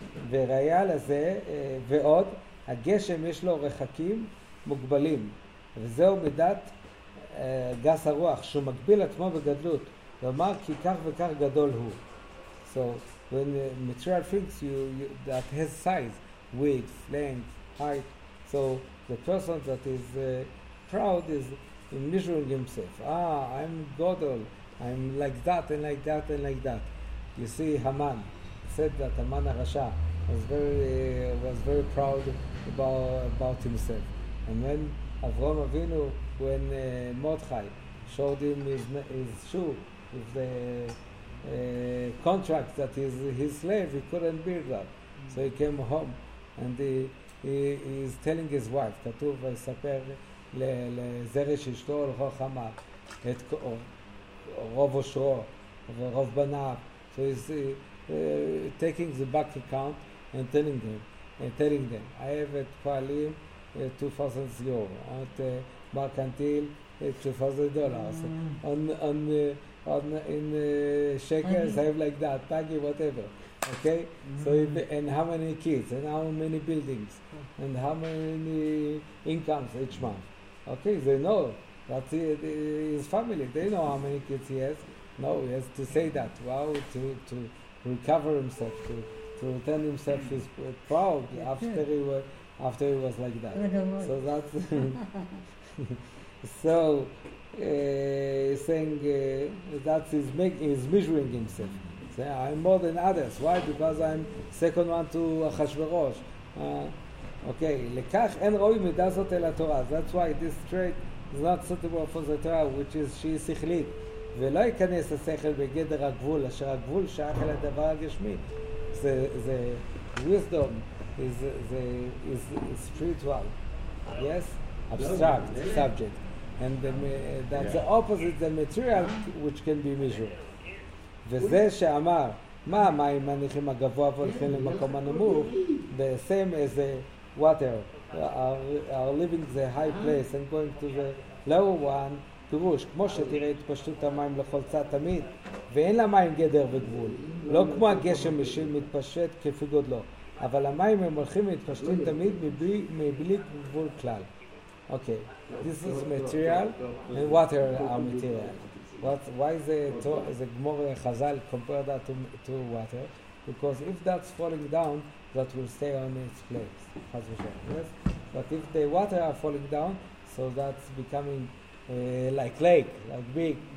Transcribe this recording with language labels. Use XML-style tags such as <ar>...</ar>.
<he>וראיה לזה, ועוד, הגשם יש לו רחקים מוגבלים, וזהו מדת גס הרוח, שהוא מגביל עצמו בגדלות, ואומר כי כך וכך גדול הוא.</he> <en>So, when material things you that has size, width, length, height, so the person that is proud is measuring himself. I'm godol, I'm like that and like that and like that. You see, Haman said that Haman HaRasha was very proud about himself. And when Avraham Avinu, when Mordechai showed him his shoe with the contract that is his slave, he couldn't bear that. Mm-hmm. So he came home and he is telling his wife,</en> <he>כתוב ויספר לזרש אשתו לכל חמה את רוב אושרו ורוב בניו.</he> <en>So he's taking the bank account and telling them, I have at Pa'alim 2,000 euro. Mercantile, $2,000. Mm. In shekels, I have like that, baggy, whatever. Okay? Mm. So, and how many kids? And how many buildings? And how many incomes each month? Okay, they know. That's his family. They know how many kids he has. No, he has to say that. Wow, to recover himself, to return himself his proud after he was like that. So that's... So saying that is measuring himself. Say, I'm more than others. Why? Because I'm second one to Achashverosh. Okay.</en> <he>לכך אין רואים מידה זאת אל התורה.</he> <en>That's why this trait is not suitable for the Torah, which is</en> <he>שהיא שכלית. ולא ייכנס השכל בגדר הגבול, אשר הגבול שייך אל הדבר הגשמי.</he> <en>the wisdom is the spiritual, yes, abstract subject, and the that's the opposite, the material which can be measured.</en> <he>וזה שאמר מה מים מניחים הגבוה והולכים למקום הנמוך,</he> <en>the same as the water are leaving the high place and going to the lower one.</en> <he>פירוש, כמו שתראה את פשטות המים לחולצה תמיד, ואין לה מים גדר וגבול, לא כמו הגשם שמתפשט כפי גודלו, אבל המים הם הולכים להתפשטות תמיד מבלי גבול כלל.</he> <en>אוקיי, this is material and water are material. What, why is the Gemara Chazal compared that to water? Because if that's falling down, that will stay on its place. Chaz v'shem, yes? But if the water are falling down, so that's becoming like lake, like big.</en>